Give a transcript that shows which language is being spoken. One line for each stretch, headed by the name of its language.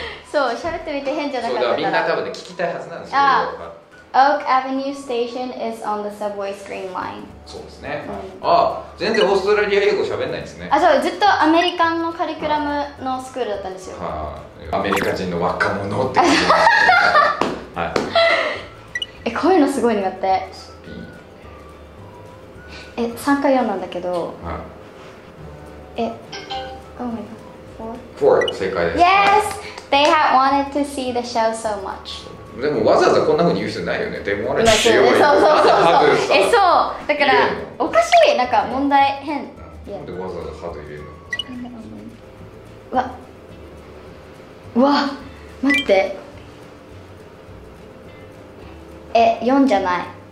Japanese: そう、喋ってみて変じゃなかったから。みんな多分、ね、聞きたいはずなんですけど。
English: Oak Avenue Station is on the subway screen line。
Japanese: そうですね、うん、あ、全然オーストラリア英語喋んないですね。あ、そう、ずっとアメリカンのカリキュラムのスクールだったんですよ。はあ、アメリカ人の若者って聞いてました、ね。はい、え、こういうのすごい苦手。え、3か4なんだけど、は
English: あ、え、Oh my god、
Japanese: 4、正解です。
English: Yes! They have wanted to see the show so much。
Japanese: でもわざわざこんな風に言う人ないよね。
English: They wanted to see
Japanese: it。 そうそうそうそう。 え、そう、だからおかしい、なんか問題変。なんでわざわざハード入れるの？わ、わ、待って、え、4じゃない、